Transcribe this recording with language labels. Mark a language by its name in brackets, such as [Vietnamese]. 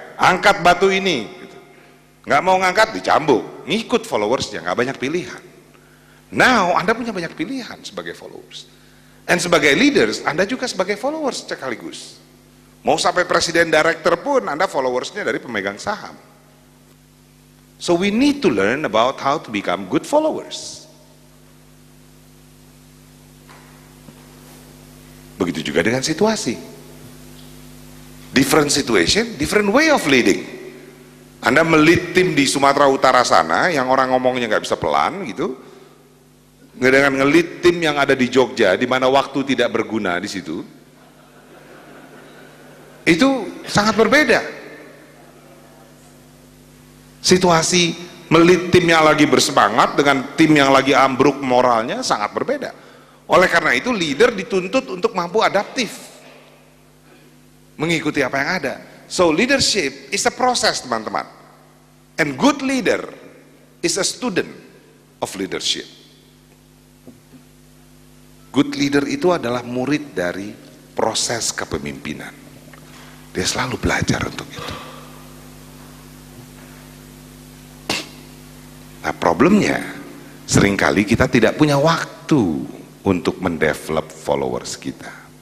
[Indonesian] Angkat batu ini. Gak mau ngangkat, dicambuk. Ngikut followersnya, gak banyak pilihan. Now, Anda punya banyak pilihan sebagai followers. And sebagai leaders, Anda juga sebagai followers sekaligus. Mau sampai presiden director pun, Anda followersnya dari pemegang saham. [English] So we need to learn about how to become good followers. [Indonesian] Begitu juga dengan situasi. [English] Different situation, different way of leading. [Indonesian] Anda melit tim di Sumatera Utara sana, yang orang ngomongnya gak bisa pelan gitu, dengan ngelit tim yang ada di Jogja, di mana waktu tidak berguna di situ, itu sangat berbeda. Situasi melit tim yang lagi bersemangat dengan tim yang lagi ambruk moralnya sangat berbeda. Oleh karena itu, leader dituntut untuk mampu adaptif, mengikuti apa yang ada. [English] So, leadership is a process, teman-teman. And good leader is a student of leadership. Good leader [Indonesian] itu adalah murid dari proses kepemimpinan. Dia selalu belajar untuk itu. Nah, problemnya, seringkali kita tidak punya waktu untuk mendevelop followers kita.